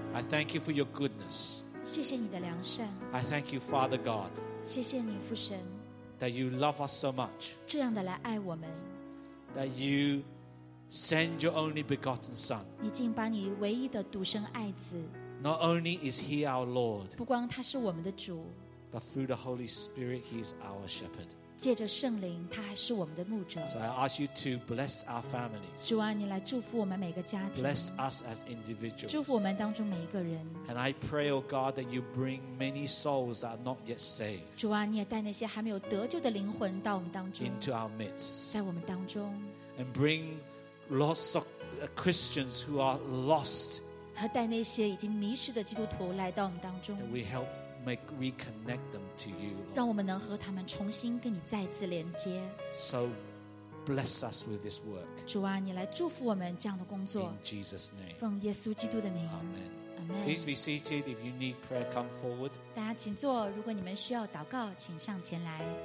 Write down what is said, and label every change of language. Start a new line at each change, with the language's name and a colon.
English: Thank you for your goodness.
Chinese: 谢谢你的良善。
English: I thank you, Father God.
Chinese: 谢谢你父神。
English: That you love us so much.
Chinese: 这样的来爱我们。
English: That you send your only begotten Son.
Chinese: 你竟把你唯一的独生爱子。
English: Not only is he our Lord.
Chinese: 不光他是我们的主。
English: But through the Holy Spirit, he is our shepherd.
Chinese: 借着圣灵，他还是我们的牧者。
English: So I ask you to bless our families.
Chinese: 主啊，你来祝福我们每个家庭。
English: Bless us as individuals.
Chinese: 祝福我们当中每一个人。
English: And I pray, O God, that you bring many souls that are not yet saved.
Chinese: 主啊，你也带那些还没有得救的灵魂到我们当中。
English: Into our midst.
Chinese: 在我们当中。
English: And bring lots of Christians who are lost.
Chinese: 和带那些已经迷失的基督徒来到我们当中。
English: That we help. Make reconnect them to you, Lord.
Chinese: 让我们能和他们重新跟你再次连接。
English: So bless us with this work.
Chinese: 主啊，你来祝福我们这样的工作。
English: In Jesus' name.
Chinese: 奉耶稣基督的名。
English: Amen. Amen. Please be seated. If you need prayer, come forward.
Chinese: 大家请坐。如果你们需要祷告，请上前来。